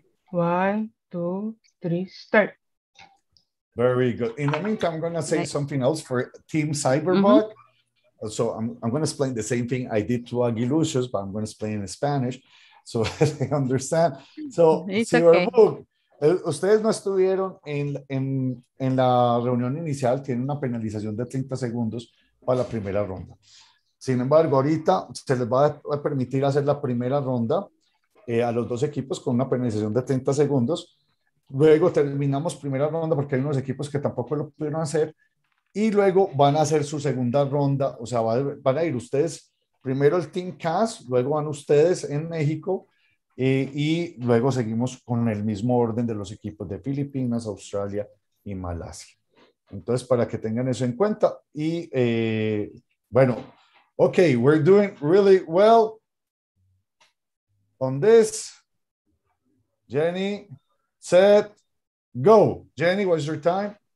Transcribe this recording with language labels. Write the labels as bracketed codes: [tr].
[en] One, two, three, start. Very good. In the meantime, I'm going to say something else for Team Cyberbug. Mm-hmm. So I'm going to explain the same thing I did to Aguiluchos, but I'm going to explain in Spanish so they understand. So it's Cyberbug. Okay. [es] Ustedes no estuvieron en la reunión inicial, tienen una penalización de 30 segundos para la primera ronda. Sin embargo, ahorita se les va a permitir hacer la primera ronda a los dos equipos con una penalización de 30 segundos. Luego terminamos primera ronda porque hay unos equipos que tampoco lo pudieron hacer. Y luego van a hacer su segunda ronda, o sea, van a ir ustedes primero el Team Cas, luego van ustedes en México. Y luego seguimos con el mismo orden de los equipos de Filipinas, Australia y Malasia. Entonces, para que tengan eso en cuenta. Y bueno, [en] ok, we're doing really well on this. Jenny, set, go. Jenny, what's your time?